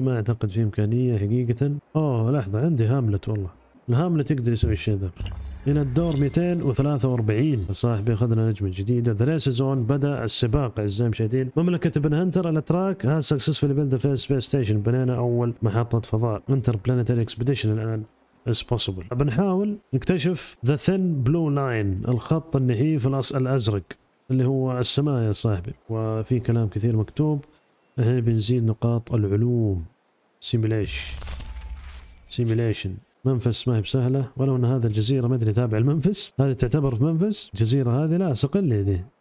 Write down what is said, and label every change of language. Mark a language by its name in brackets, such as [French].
[Arabic] ما اعتقد في امكانية حقيقة. اوه لحظة عندي هاملت، والله الهاملت تقدر يسوي الشيء ذا. الى الدور 243 صاحبي اخذنا نجمة جديدة. [English] The race is on، [Arabic] بدأ السباق اعزائي المشاهدين. مملكة بنهنتر الاتراك [English] has successfully built the first space station، [Arabic] بنينا اول محطة فضاء. [English] Interplanetary expedition الان is possible. [Arabic] بنحاول نكتشف [English] the thin blue line، [Arabic] الخط النحيف الازرق اللي هو السماء يا صاحبي. وفي كلام كثير مكتوب، احنا بنزيد نقاط العلوم. simulation منفس ما هي بسهلة، ولو ان هذا الجزيرة ما ادري تابع لمنفس، هذه تعتبر في منفس؟ الجزيرة هذه لا صقلية ذي.